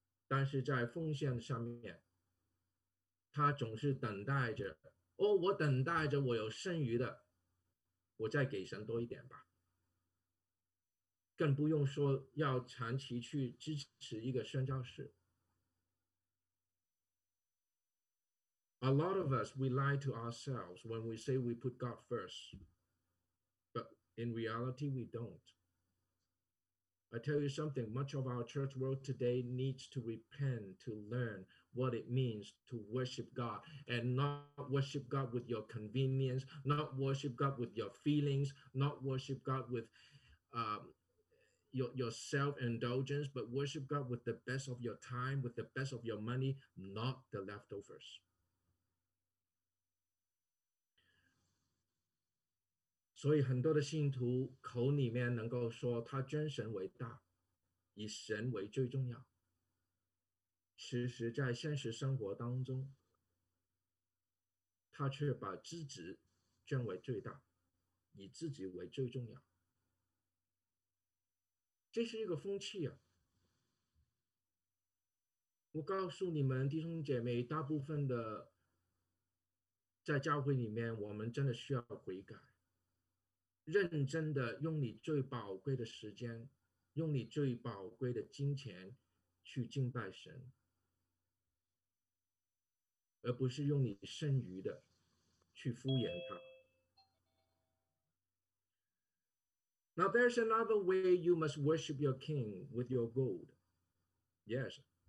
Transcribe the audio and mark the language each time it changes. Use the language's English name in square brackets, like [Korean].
[Chinese] 但是在奉献上面，他总是等待着，哦，我等待着我有剩余的，我再给神多一点吧。更不用说要长期去支持一个宣教士。 [English] A lot of us, we lie to ourselves when we say we put God first, but in reality, we don't. I tell you something, much of our church world today needs to repent to learn what it means to worship God and not worship God with your convenience, not worship God with your feelings, not worship God with your self-indulgence, but worship God with the best of your time, with the best of your money, not the leftovers. [Chinese] 所以很多的信徒口里面能够说他尊神为大，以神为最重要。其实在现实生活当中，他却把自己尊为最大，以自己为最重要。这是一个风气啊。我告诉你们，弟兄姐妹，大部分的在教会里面，我们真的需要悔改。认真的用你最宝贵的时间，用你最宝贵的金钱去敬拜神，而不是用你剩余的去敷衍他。 [English] Now there's another way you must worship your king with your gold. Yes.